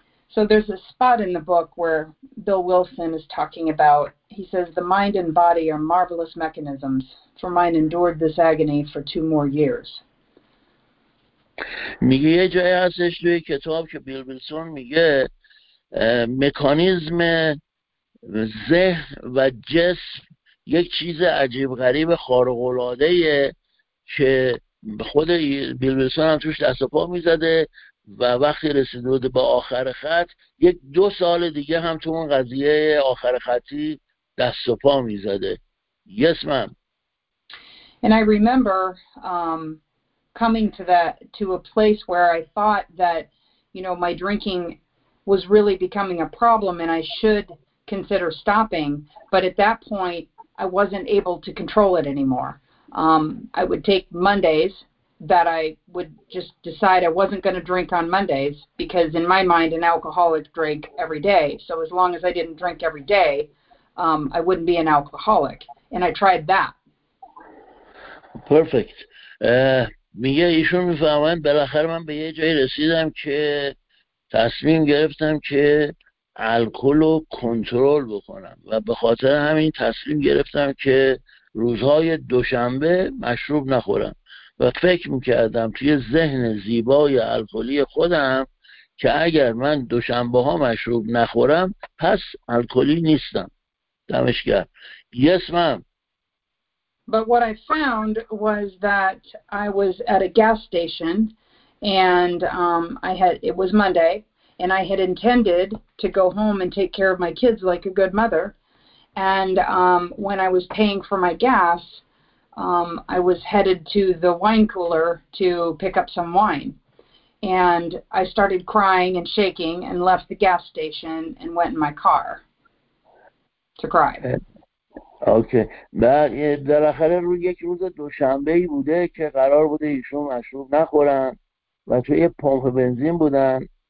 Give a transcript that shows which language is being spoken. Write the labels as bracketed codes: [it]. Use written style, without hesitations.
[en] So there's a spot in the book where Bill Wilson is talking about, he says, the mind and body are marvelous mechanisms, for mine endured this agony for 2 more years. [fa] میگه یه جایی هستش توی کتاب که بیل ویلسون میگه مکانیزم ذهن و جسم یک چیز عجیب غریب خارق العاده‌ایه که خود بیل ویلسون هم توش دست و پا میزده و وقتی رسید بود به آخر خط، یک 2 سال دیگه هم تو اون قضیه آخر خطی دست و پا میزده. [en] Yes, ma'am. And I remember coming to that to a place where I thought that, you know, my drinking was really becoming a problem and I should consider stopping, but at that point I wasn't able to control it anymore. I would take Mondays that I would just decide I wasn't going to drink on Mondays, because in my mind, an alcoholic drank every day. So as long as I didn't drink every day, I wouldn't be an alcoholic. And I tried that. Perfect. [fa] میگه ایشون میفهمن بالاخره من به یه جایی رسیدم که تصمیم گرفتم که الکل رو کنترل بکنم و به خاطر همین تصمیم گرفتم که روزهای دوشنبه مشروب نخورم و فکر میکردم توی ذهن زیبای الکلی خودم که اگر من دوشنبه ها مشروب نخورم پس الکلی نیستم. دمش گرم. [en] Yes, ma'am. But what I found was that I was at a gas station, and it was Monday, and I had intended to go home and take care of my kids like a good mother. And when I was paying for my gas, I was headed to the wine cooler to pick up some wine. And I started crying and shaking and left the gas station and went in my car to cry. [fa] اوکی بعد بالاخره روی یک روز دوشنبه‌ای بوده که قرار بوده ایشون مشروب نخورن و توی یه پمپ بنزین بودن